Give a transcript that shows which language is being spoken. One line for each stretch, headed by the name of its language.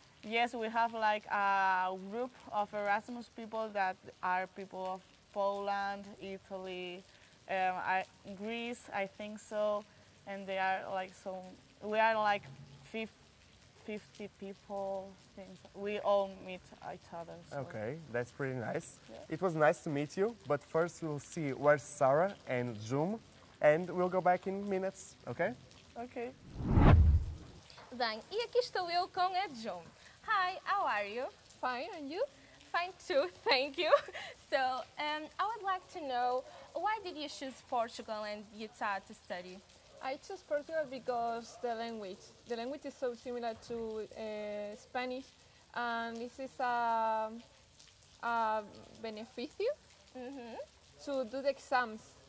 English: Yes, we have like a group of Erasmus people that are people of Poland, Italy, Greece, I think so, and they are like so, we are like 50 people, things. We all meet each other. So. Okay, that's pretty nice. Yeah. It was nice to meet you, but first we'll see where's Sara and Jum, and we'll go back in minutes, okay? Okay.
Portuguese: Bem, e aqui estou eu com a Jum.
English: Hi, how are you? Fine, and you? Fine too, thank you. So, I would like to know, why did you choose Portugal and Utah to study? I chose Portugal because the language is so similar to Spanish, and this is a beneficio to do the exams.